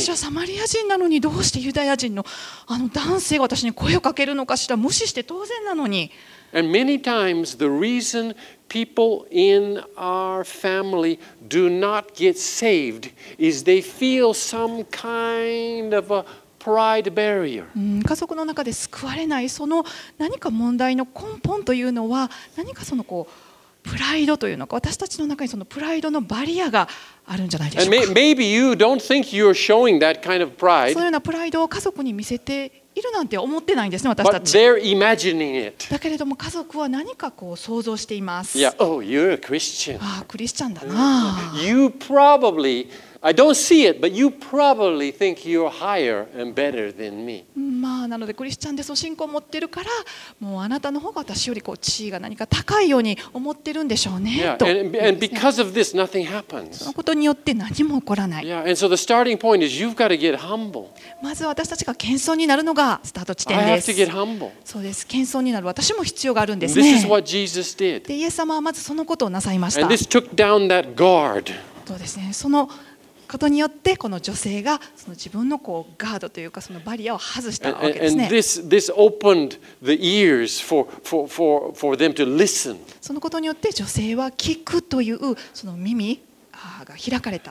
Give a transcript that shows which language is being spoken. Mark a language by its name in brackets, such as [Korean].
[Japanese] 私はサマリア人なのにどうしてユダヤ人のあの男性が私に声をかけるのかしら。無視して当然なのに。 [English] And many times the reason people in our family do not get saved is they feel some kind of a pride barrier. [Japanese] 家族の中で救われないその何か問題の根本というのは何かそのこうプライドというのか私たちの中にそのプライドのバリアがあるんじゃないでしょうか。 [English] Maybe you don't think you're showing that kind of pride. [Japanese] そのようなプライドを家族に見せているなんて思ってないんですね私たち。 [English] But they're imagining it. [Japanese] だけれども家族は何かこう想像しています。 [English] Yeah. Oh, you're a Christian. [Japanese] ああ、クリスチャンだな。 [English] You probably, I don't see it, but you probably think you're higher and better than me. [Japanese] まあなのでクリスチャンでそう信仰を持ってるから、もうあなたの方が私よりこう地位が何か高いように思ってるんでしょうね。 [English] Yeah. [Japanese] と。 [English] And because of this, nothing happens. [Japanese] そのことによって何も起こらない。 [English] Yeah. And so the starting point is you've got to get humble. [Japanese] まず私たちが謙遜になるのがスタート地点です。 [English] I have to get humble. [Japanese] そうです。謙遜になる私も必要があるんですね。 [English] This is what Jesus did. [Japanese] で、イエス様はまずそのことをなさいました。 [English] And this took down that guard. [Japanese] そうですね。そのことによってこの女性がその自分のこうガードというかそのバリアを外したわけですね。 [English] And this opened the ears for them to listen. [Japanese] そのことによって女性は聞くというその耳が開かれた。